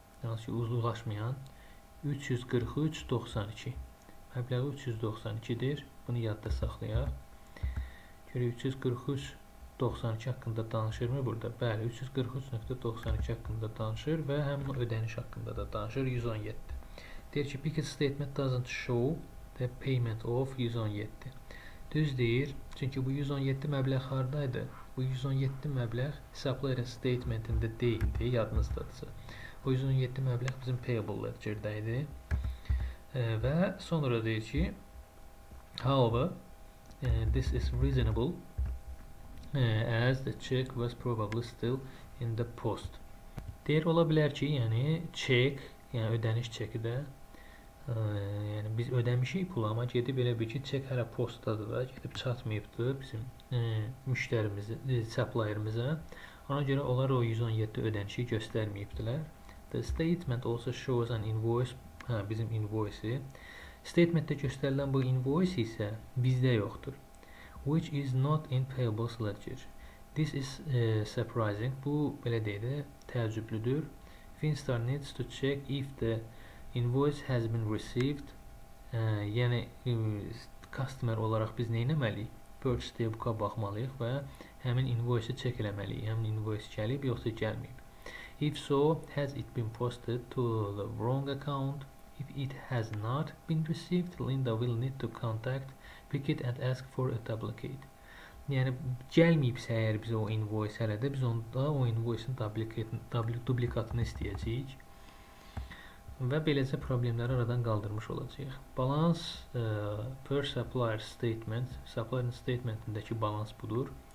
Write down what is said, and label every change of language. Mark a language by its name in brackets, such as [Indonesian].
[Azerbaijani] Yəni uzlaşmayan 343.92. Məbləği 392-dir. Bunu yadda saxlayaq. Görək 343 92 haqqında danışır mı burada? Bəli, 343.92 haqqında danışır və həmin ödəniş haqqında da danışır, 117. Deyir ki, [English] pick a statement doesn't show the payment of 117. [Azerbaijani] Düz deyir, çünki bu 117 məbləğ haradaydı? Bu 117 məbləğ hesablı error statementində deyildi, yadınızdadırsa. Bu 117 məbləğ bizim payable ledger'də idi. Və sonra deyir ki, [English] however, this is reasonable as the check was probably still in the post. [Azerbaijani] Deyir, ola bilər ki, yəni check, yəni ödəniş çeki də yəni biz ödəmişik pul, amma gedib elə bir ki, çek hələ postdadır da, gedib çatmayıbdır bizim müştərimizə, supplierimizə. Ona görə onlar o 117 ödənişi göstərməyibdilər. [English] The statement also shows an invoice, [Azerbaijani] bizim invoice-i. Statementdə göstərilən bu invoice isə bizdə yoxdur. [English] Which is not in payables ledger. This is surprising. [Azerbaijani] Bu, belə deyək də, təəccüblüdür. [English] Finstar needs to check if the invoice has been received. [Azerbaijani] Yəni, customer olaraq biz nə etməliyik? Purchase debuka baxmalıyıq və həmin invoice-i check eləməliyik. Həmin invoice gəlib, yoxsa gəlməyib. [English] If so, has it been posted to the wrong account? If it has not been received, Linda will need to contact Picket and ask for a duplicate. [Azerbaijani] Yəni, gəlməyibsə əgər biz o invoice hələ də, biz onda o invoice-in duplikatını istəyəcəyik. Və beləcə problemləri aradan qaldırmış olacaq. [English] Balance per supplier statement, [Azerbaijani] supplier statementindəki balans budur.